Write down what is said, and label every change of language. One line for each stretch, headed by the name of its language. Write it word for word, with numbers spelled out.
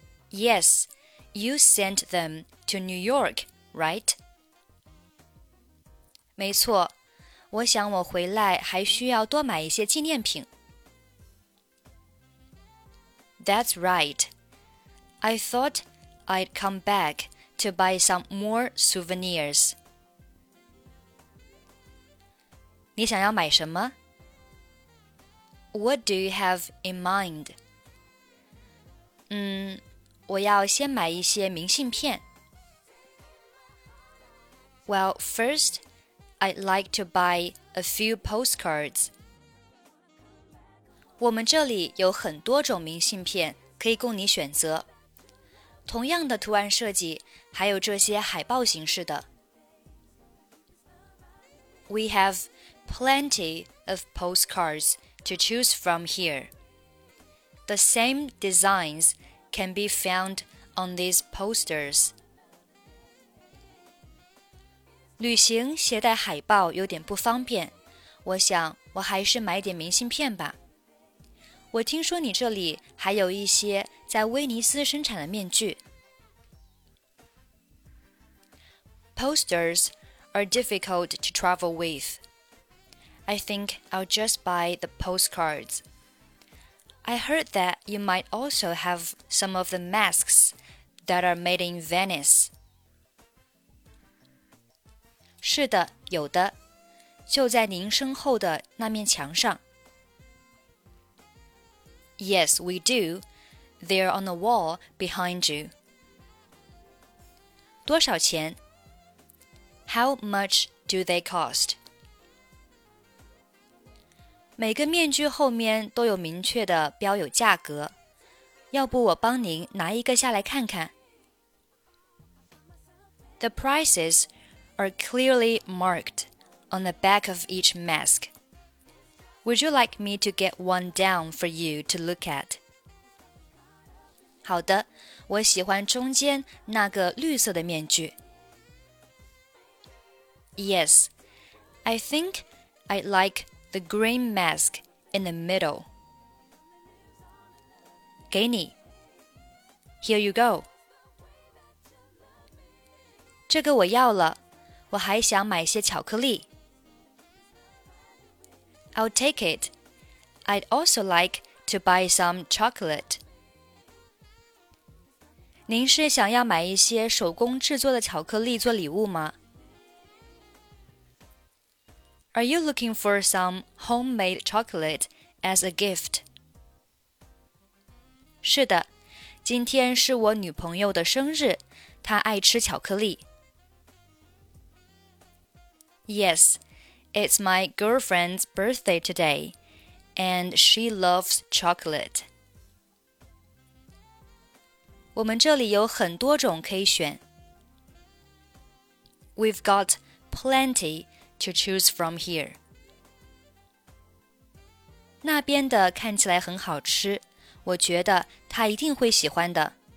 English: Yes, you sent them to New York, right?
Chinese: 没错，我想我回来还需要多买一些纪念品。
English: That's right. I thought I'd come back to buy some more souvenirs.
Chinese: 你想要买什么？
English: What do you have in mind?
Chinese: 嗯，我要先买一些明信片。
English: Well, first, I'd like to buy a few postcards.
Chinese: 我们这里有很多种明信片可以供你选择，同样的图案设计，还有这些海报形式的。
English: We have plenty of postcards. To choose from here. The same designs can be found on these posters.
Chinese: 旅行携带海报有点不方便，我想我还是买点明信片吧。我听说你这里还有一些在威尼斯生产的面具。
English: Posters are difficult to travel with. I think I'll just buy the postcards. I heard that you might also have some of the masks that are made in Venice.
Chinese: 是的，有的，就在您身后的那面墙上。
English: Yes, we do. They're on the wall behind you.
Chinese: 多少钱？
English: How much do they cost?
Chinese: 每个面具后面都有明确的标有价格，要不我帮您拿一个下来看看。
English: The prices are clearly marked on the back of each mask. Would you like me to get one down for you to look at?
Chinese: 好的，我喜欢中间那个绿色的面具。
English: Yes, I think I'd like... The green mask in the middle.
Chinese: 给你。
English: Here you go.
Chinese: 这个我要了，我还想买些巧克力。
English: I'll take it. I'd also like to buy some chocolate.
Chinese: 您是想要买一些手工制作的巧克力做礼物吗？
English: Are you looking for some homemade chocolate as a gift?
Chinese: 是的，今天是我女朋友的生日，她爱吃巧克力。
English: Yes, it's my girlfriend's birthday today, and she loves chocolate.
Chinese: 我们这里有很多种可以选。
English: We've got plenty.To choose from here.
Chinese: 那边的看起来很好吃，我觉得他一定会喜欢的。